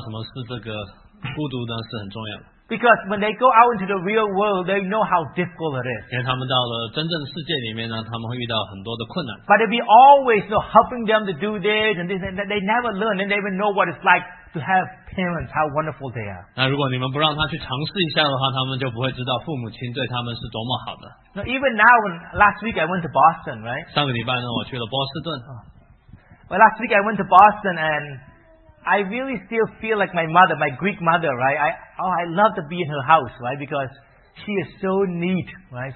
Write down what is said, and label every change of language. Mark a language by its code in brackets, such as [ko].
[zh] 所以如果给小孩的话呢，让他们知道什么是这个孤独呢，是很重要的。 [en] Because when they go out into the real world, they know how difficult it is. [zh] 因为他们到了真正世界里面呢，他们会遇到很多的困难。 [en] But if we always know helping them to do this and this, and they never learn, and they even know what it's like to have parents, how wonderful they are. [zh] 那如果你们不让他去尝试一下的话，他们就不会知道父母亲对他们是多么好的。 [en] Now, even now, when last week I went to Boston, right? [zh] 上个礼拜呢，我去了波士顿。 [en] Well, last week I went to Boston and I really still feel like my mother, my Greek mother, right? I love to be in her house, right? Because she is so neat, right?